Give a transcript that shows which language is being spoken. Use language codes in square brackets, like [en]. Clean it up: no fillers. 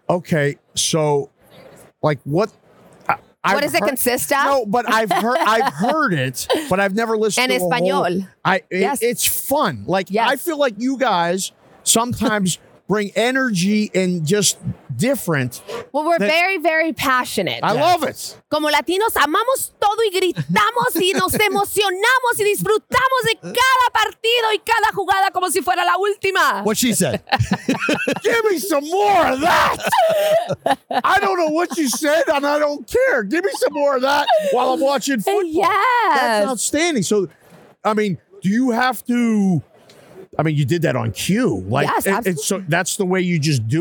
[en] Okay. So like what? What does it consist of? No, but I've heard it, but I've never listened to it. [es] En español. [en] It's fun. Like, I feel like you guys sometimes bring energy and just different. Well, we're very, very passionate. I love it. [es] Como Latinos, amamos todo y gritamos y nos emocionamos y disfrutamos de cada partido y cada jugada como si fuera la última. [en] What she said. Give me some more of that. I don't know what you said and I don't care. Give me some more of that while I'm watching football. Yes. That's outstanding. So, I mean, do you have to... I mean, you did that on cue. Like, yes, absolutely. And so that's the way you just do